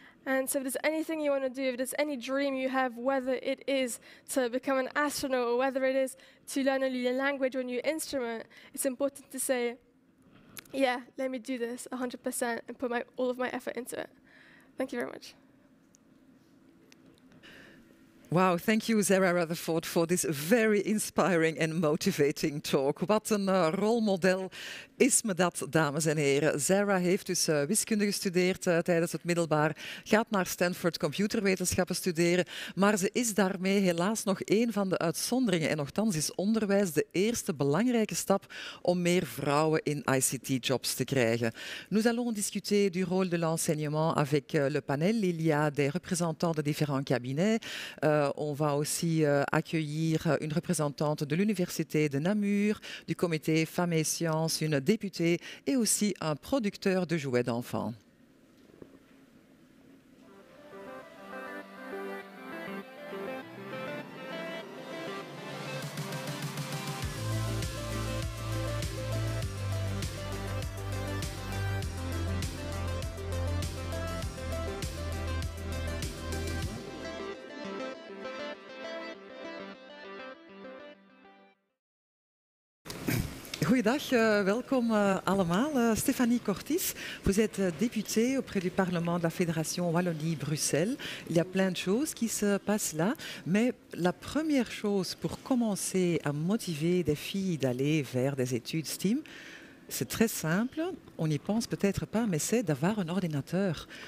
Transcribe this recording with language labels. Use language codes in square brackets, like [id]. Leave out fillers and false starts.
[en] And so if there's anything you want to do, if there's any dream you have, whether it is to become an astronaut or whether it is to learn a new language or a new instrument, it's important to say, yeah, let me do this 100% and put all of my effort into it. Thank you very much. Wow, thank you, Zara Rutherford, for this very inspiring and motivating talk. [nl] Wat een rolmodel is me dat, dames en heren. Zara heeft dus wiskunde gestudeerd tijdens het middelbaar, gaat naar Stanford computerwetenschappen studeren, maar ze is daarmee helaas nog één van de uitzonderingen. En nochtans is onderwijs de eerste belangrijke stap om meer vrouwen in ICT-jobs te krijgen. [fr] Nous allons discuter du rôle de l'enseignement avec le panel. Il y a des représentants de différents cabinets. On va aussi accueillir une représentante de l'Université de Namur, du comité Femmes et Sciences, une députée et aussi un producteur de jouets d'enfants. [nl] Goedendag, welkom allemaal. [fr] Stéphanie Cortis, vous êtes députée auprès du Parlement de la Fédération Wallonie-Bruxelles. Il y a plein de choses qui se passent là, mais la première chose pour commencer à motiver des filles d'aller vers des études STEAM, c'est très simple, on n'y pense peut-être pas, mais c'est d'avoir un ordinateur.